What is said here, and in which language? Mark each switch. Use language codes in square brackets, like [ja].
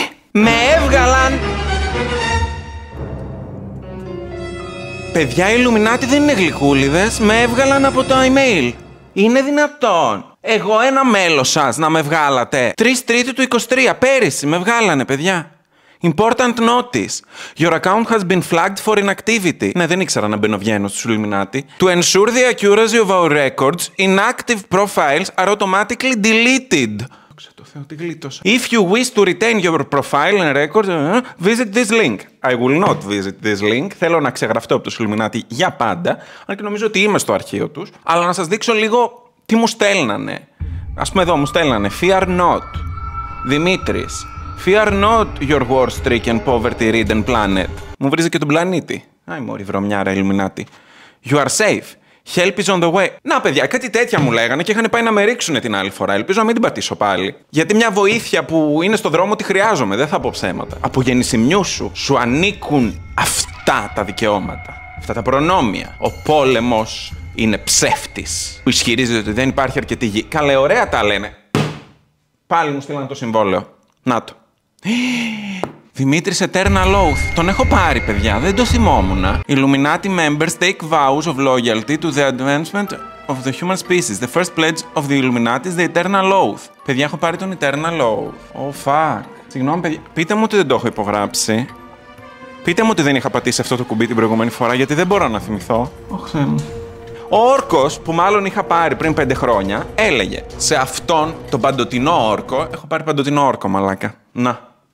[el] Με έβγαλαν. Παιδιά, οι Illuminati δεν είναι γλυκούλιδες. Με έβγαλαν από το email. Είναι δυνατόν. Εγώ ένα μέλος σας να με βγάλατε. 3/3 του 23. Πέρυσι με βγάλανε, παιδιά. [en] Important notice. Your account has been flagged for inactivity. [el] Ναι, δεν ήξερα να μπαίνω βγαίνω στους Illuminati. [en] To ensure the accuracy of our records, inactive profiles are automatically deleted. [el] Ξέρω το Θεό, τι γλίτωσα. [en] If you wish to retain your profile and records, visit this link. I will not visit this link. [el] Θέλω να ξεγραφτώ από τους Illuminati για πάντα. Αν και νομίζω ότι είμαι στο αρχείο τους. Αλλά να σας δείξω λίγο τι μου στέλνανε. Ας πούμε εδώ, μου στέλνανε. [en] Fear not. [el] Δημήτρης. [en] Fear not your war-stricken, poverty-ridden planet. [el] Μου βρίζει και τον πλανήτη. Άι μωρή βρωμιάρα, Illuminati. [en] You are safe. Help is on the way. [el] Να παιδιά, κάτι τέτοια μου λέγανε και είχαν πάει να με ρίξουν την άλλη φορά. Ελπίζω να μην την πατήσω πάλι. Γιατί μια βοήθεια που είναι στο δρόμο τη χρειάζομαι, δεν θα πω ψέματα. Από γεννησιμιού σου, σου ανήκουν αυτά τα δικαιώματα. Αυτά τα προνόμια. Ο πόλεμος είναι ψεύτης. Που ισχυρίζεται ότι δεν υπάρχει αρκετή γη. Καλέ, ωραία τα λένε. Πάλι μου στείλανε το συμβόλαιο. Να το. Δημήτρης Eternal Oath. Τον έχω πάρει, παιδιά. Δεν το θυμόμουνα. [en] Illuminati members take vows of loyalty to the advancement of the human species. The first pledge of the Illuminati is the Eternal Oath. [el] Παιδιά, έχω πάρει τον Eternal Oath. [en] Oh, fuck. [el] Συγγνώμη, παιδιά. Πείτε μου ότι δεν το έχω υπογράψει. Πείτε μου ότι δεν είχα πατήσει αυτό το κουμπί την προηγούμενη φορά, γιατί δεν μπορώ να θυμηθώ. Oh, Θεέ μου. Ο όρκος που μάλλον είχα πάρει πριν 5 χρόνια έλεγε σε αυτόν τον παντοτινό όρκο. Έχω πάρει παντοτινό όρκο, μαλάκα. Να.